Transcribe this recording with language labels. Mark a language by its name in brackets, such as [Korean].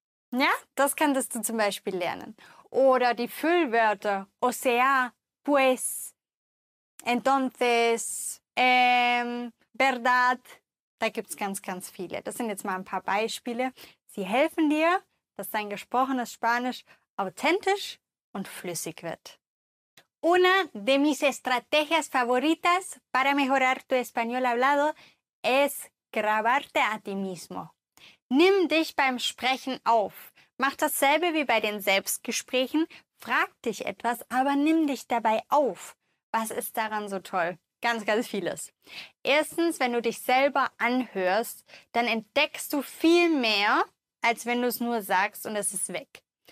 [German] Ja, das könntest du zum Beispiel lernen. Oder die Füllwörter, [Spanish] o sea, pues, entonces, verdad. [German] Da gibt es ganz, ganz viele. Das sind jetzt mal ein paar Beispiele. Sie helfen dir, dass dein gesprochenes Spanisch authentisch und flüssig wird. [Spanish] Una de mis estrategias favoritas para mejorar tu español hablado es grabarte a ti mismo. [German] Nimm dich beim Sprechen auf. Mach dasselbe wie bei den Selbstgesprächen. Frag dich etwas, aber nimm dich dabei auf. Was ist daran so toll? Ganz, ganz vieles. Erstens, wenn du dich selber anhörst, dann entdeckst du viel mehr, als wenn du es nur sagst und es ist weg.